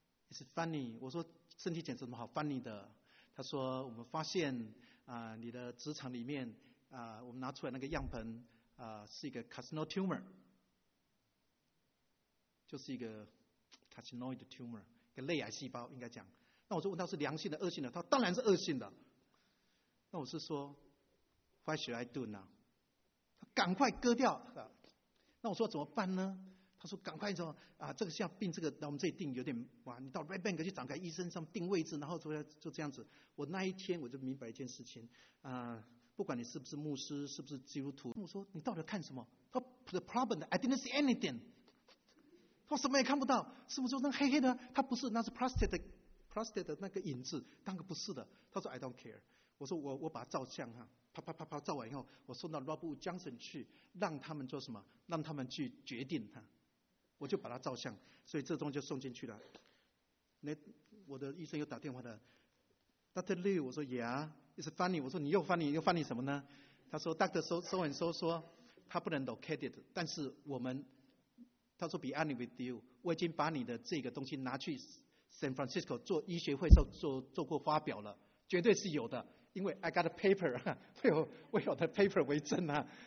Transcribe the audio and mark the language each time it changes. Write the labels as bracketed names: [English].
[English] It's funny， [Chinese] 我说身体检查怎么好 funny 的？他说我们发现你的直肠里面我们拿出来那个样本是一个 carcinoid tumor， 就是一个 carcinoid tumor， 一个类癌细胞应该讲。那我就问他是良性的恶性的，他说当然是恶性的。那我是说 [English] what should I do now， [Chinese] 他赶快割掉。那我说怎么办呢？他说赶快说这个像病这个那我们这里定有点哇，你到 Red Bank 去找个医生上定位置，然后就这样子。我那一天我就明白一件事情不管你是不是牧师，是不是基督徒，我说你到底看什么？他说 [English] the problem I didn't see anything， [Chinese] 他什么也看不到，是不是就那黑黑的？他不是，那是 prostate 的那个影子，当个不是的。他说 [English] I don't care， [Chinese] 我说我把它照相哈，啪啪啪啪照完以后，我送到 Rob Johnson 去，让他们做什么？让他们去决定哈，我就把它照相，所以这东西就送进去了。那我的医生又打电话的 Dr. Liu， 我说 Yeah， [English] It's funny， [Chinese] 我说你又 funny， 又 funny 什么呢？他说 Dr. So and So 说他不能 located， 但是我们，他说 [English] Be honest with you， [Chinese] 我已经把你的这个东西拿去 San Francisco 做医学会上 做过发表了，绝对是有的，因为 [English] I got a paper， [Chinese] 我有的 paper 为证啊。